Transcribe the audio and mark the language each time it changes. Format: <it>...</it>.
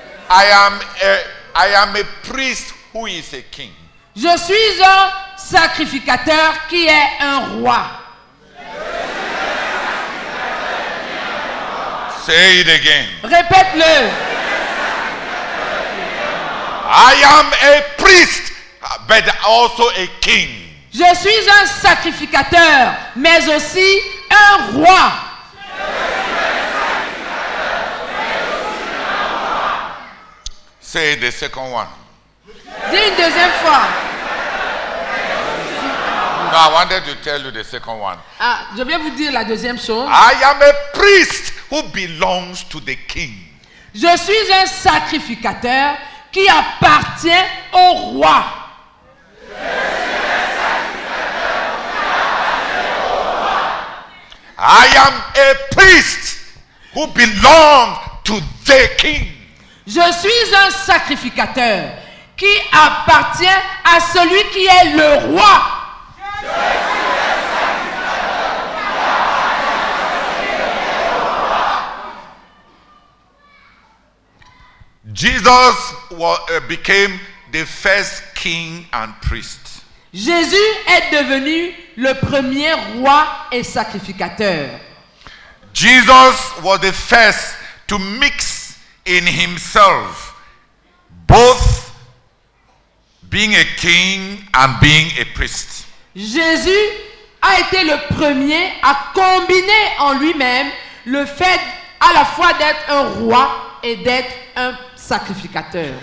<en>I am a priest who is a king.</en> <fr>Je suis un sacrificateur qui est un roi.</fr> <en>Say it again.</en> <fr>Répète-le.</fr> <en>I am a priest, but also a king.</en> <fr>Je suis un sacrificateur, mais aussi un roi.</fr> <en>Say the second one.</en> <fr>Dis une deuxième fois.</fr> <en>No, I wanted to tell you the second one.</en> <fr>Je viens vous dire la deuxième chose.</fr> <en>I am a priest who belongs to the king.</en> <fr>Je suis un sacrificateur qui appartient au roi. Je suis un sacrificateur qui appartient au roi.</fr> <en>I am a priest who belongs to the king.</en> <fr>Je suis un sacrificateur qui appartient à celui qui est le roi.</fr> <en>Jesus became the first king and priest.</en> <fr>Jésus est devenu le premier roi et sacrificateur.</fr> <en>Jesus was the first to mix in himself both being a king and being a priest.</en> <fr>Jésus a été le premier à combiner en lui-même le fait à la fois d'être un roi et d'être un sacrificateur.</fr>